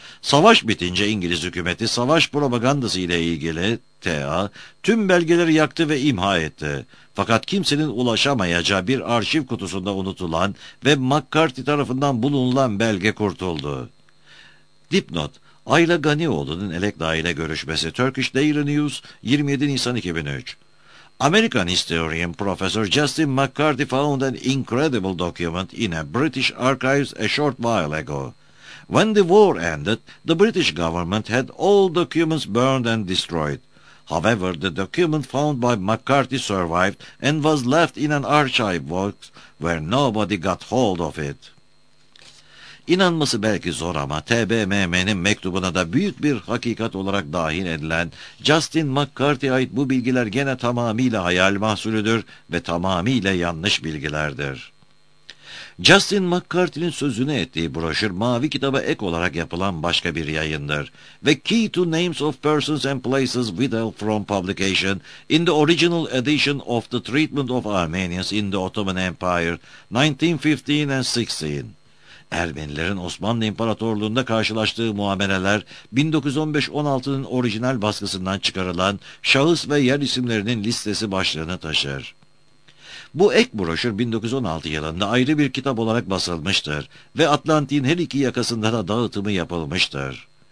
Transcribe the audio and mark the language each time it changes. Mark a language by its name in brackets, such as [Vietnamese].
[Turkish] Savaş bitince İngiliz hükümeti savaş propagandası ile ilgili TA tüm belgeleri yaktı ve imha etti. Fakat kimsenin ulaşamayacağı bir arşiv kutusunda unutulan ve McCarthy tarafından bulunulan belge kurtuldu. Dipnot, Ayla Ganioğlu'nun Elekdağ ile görüşmesi Turkish Daily News 27 Nisan 2003. [English] American historian Professor Justin McCarthy found an incredible document in a British archives a short while ago. When the war ended, the British government had all documents burned and destroyed. However, the document found by McCarthy survived and was left in an archive box where nobody got hold of it. [Turkish] İnanması belki zor ama TBMM'nin mektubuna da büyük bir hakikat olarak dahil edilen Justin McCarthy'ye ait bu bilgiler gene tamamıyla hayal mahsulüdür ve tamamıyla yanlış bilgilerdir. Justin McCarthy'nin sözünü ettiği broşür Mavi Kitaba ek olarak yapılan başka bir yayındır. [English] The Key to Names of Persons and Places Withheld from Publication in the Original Edition of the Treatment of Armenians in the Ottoman Empire 1915 and 16. [Turkish] Ermenilerin Osmanlı İmparatorluğu'nda karşılaştığı muameleler 1915-16'nın orijinal baskısından çıkarılan şahıs ve yer isimlerinin listesi başlığını taşır. Bu ek broşür 1916 yılında ayrı bir kitap olarak basılmıştır ve Atlantik'in her iki yakasında da dağıtımı yapılmıştır.